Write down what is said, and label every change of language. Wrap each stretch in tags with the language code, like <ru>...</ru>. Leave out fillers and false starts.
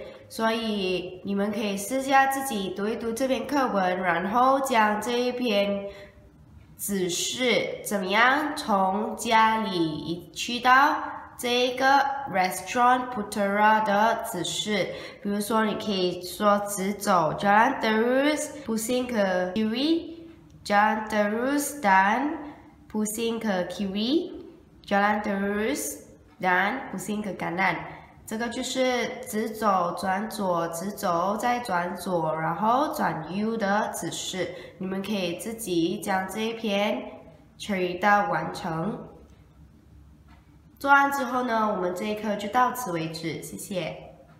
<zh>所以你们可以试下自己读一读这篇课文，然后将这一篇指示怎么样从家里去到这个 restaurant Putera 的指示。比如说你可以说直走</zh> <ms>Jalan Terus Pusing ke Kiri， Jalan Terus dan Pusing ke Kiri， Jalan Terus dan Pusing ke Kanan，</ms> <zh>这个就是直走转左，直走再转左，然后转 U 的指示。你们可以自己将这一篇全译到完成。做完之后呢，我们这一课就到此为止，谢谢。</zh>